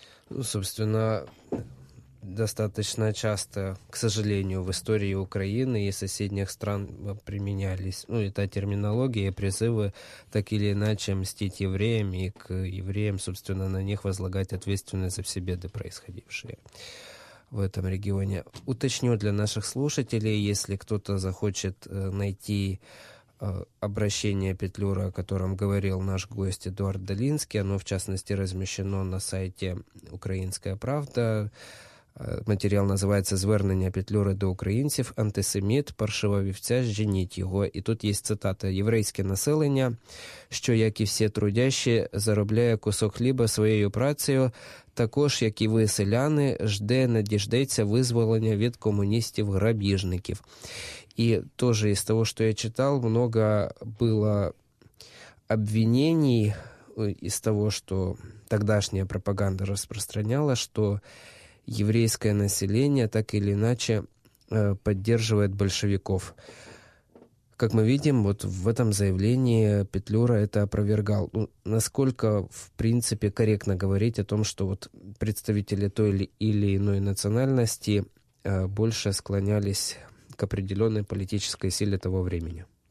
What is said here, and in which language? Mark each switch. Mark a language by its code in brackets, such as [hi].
[ru] Ну, собственно, достаточно часто, к сожалению, в истории Украины и соседних стран применялись, ну, эта терминология, призывы так или иначе мстить евреям и к евреям, собственно, на них возлагать ответственность за все беды, происходившие в этом регионе. Уточню для наших слушателей, если кто-то захочет найти обращение Петлюра, о котором говорил наш гость Эдуард Долинский, оно, в частности, размещено на сайте «Украинская правда». [uk] Матеріал називається «Звернення Петлюри до українців. Антисеміт, паршива вівця, женіть його». І тут є цитата. «Єврейське населення, що, як і всі трудящі, заробляє кусок хліба своєю працею, також, як і ви, селяни, жде, не діждеться визволення від комуністів-грабіжників». І теж із того, що я читав, много було обвинений із того, що тогдашня пропаганда розпространяла, що [ru] еврейское население так или иначе поддерживает большевиков. Как мы видим, вот в этом заявлении Петлюра это опровергал. Ну, насколько, в принципе, корректно говорить о том, что вот представители той или иной национальности больше склонялись к определенной политической силе того времени?